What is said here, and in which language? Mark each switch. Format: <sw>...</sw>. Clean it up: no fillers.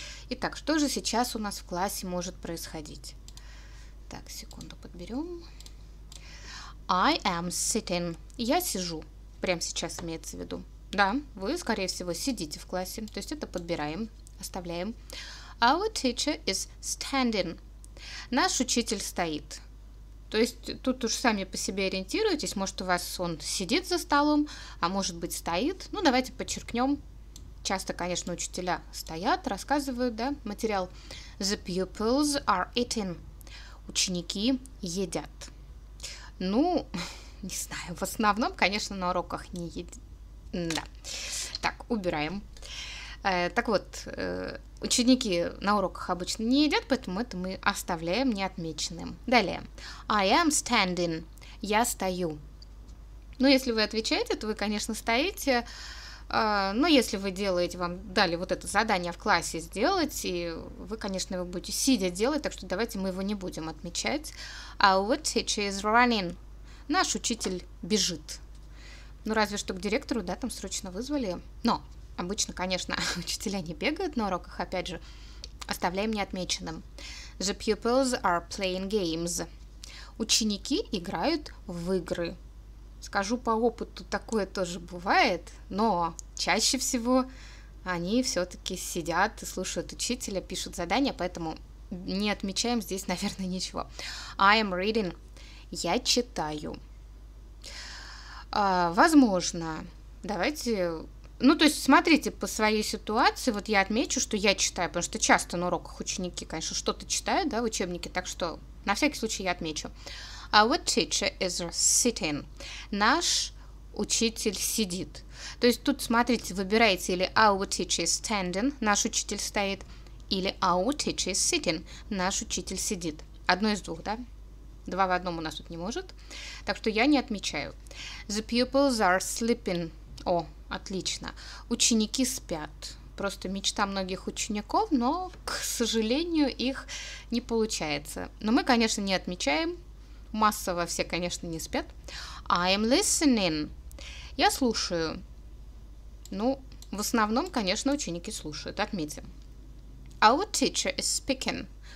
<ru>Итак, что же сейчас у нас в классе может происходить? Так, секунду подберем.</ru> <en>I am sitting.</en> <ru>Я сижу. Прямо сейчас имеется в виду. Да, вы, скорее всего, сидите в классе. То есть это подбираем, оставляем.</ru> <en>Our teacher is standing.</en> <ru>Наш учитель стоит. То есть тут уж сами по себе ориентируйтесь. Может, у вас он сидит за столом, а может быть стоит. Ну, давайте подчеркнем. Часто, конечно, учителя стоят, рассказывают, да, материал.</ru> <en>The pupils are eating.</en> <ru>Ученики едят. Ну, не знаю, в основном, конечно, на уроках не едят. Да. Так, убираем. Так вот, ученики на уроках обычно не едят, поэтому это мы оставляем неотмеченным. Далее.</ru> <en>I am standing.</en> <ru>Я стою. Ну, если вы отвечаете, то вы, конечно, стоите. Но если вы делаете, вам дали вот это задание в классе сделать, и вы, конечно, его будете сидя делать, так что давайте мы его не будем отмечать.</ru> <en>Our teacher is running.</en> <ru>Наш учитель бежит. Ну, разве что к директору, да, там срочно вызвали. Но обычно, конечно, учителя не бегают на уроках, опять же, оставляем неотмеченным.</ru> <en>The pupils are playing games.</en> <ru>Ученики играют в игры. Скажу по опыту, такое тоже бывает, но чаще всего они все-таки сидят и слушают учителя, пишут задания, поэтому не отмечаем здесь, наверное, ничего.</ru> <en>I am reading.</en> <ru>Я читаю. Возможно, давайте, ну, то есть, смотрите, по своей ситуации, вот я отмечу, что я читаю, потому что часто на уроках ученики, конечно, что-то читают, да, в учебнике, так что на всякий случай я отмечу.</ru> <en>Our teacher is sitting.</en> <ru>Наш учитель сидит. То есть, тут, смотрите, выбираете или</ru> <en>our teacher is standing,</en> <ru>наш учитель стоит, или</ru> <en>our teacher is sitting,</en> <ru>наш учитель сидит. Одно из двух, да? Два в одном у нас тут не может. Так что я не отмечаю.</ru> <en>The pupils are sleeping.</en> <ru>О, отлично. Ученики спят. Просто мечта многих учеников, но, к сожалению, их не получается. Но мы, конечно, не отмечаем. Массово все, конечно, не спят.</ru> <en>I'm listening.</en> <ru>Я слушаю. Ну, в основном, конечно, ученики слушают. Отметим.</ru> <en>Our teacher is speaking.</en>